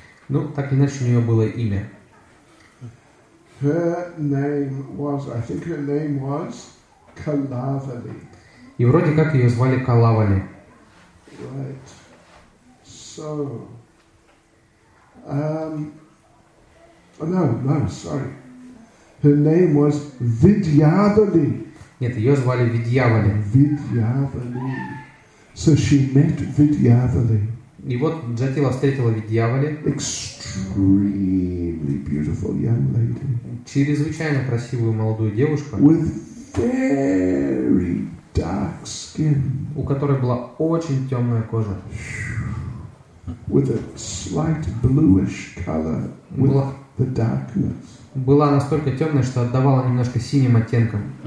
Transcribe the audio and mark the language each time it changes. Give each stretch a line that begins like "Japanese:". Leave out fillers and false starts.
Russian: Ну, так иначе у нее было имя.
English: Her name was, I think her name was Kalavali.
Russian: И вроде как ее звали Калавали.
English: Right. So. Sorry. Her name was Vidyavali.
Russian: Нет, ее звали Vidyavali.
English: Vidyavali. So she met Vidyavali.
Russian: И вот Джатила встретила Vidyavali.
English: Extremely beautiful young lady.
Russian: Чрезвычайно красивую молодую девушку.
English: With very dark skin.
Russian: У которой была очень темная кожа.
English: With a slight bluish color, with the darkness.
Russian: Была настолько темная, что отдавала немножко синим оттенком.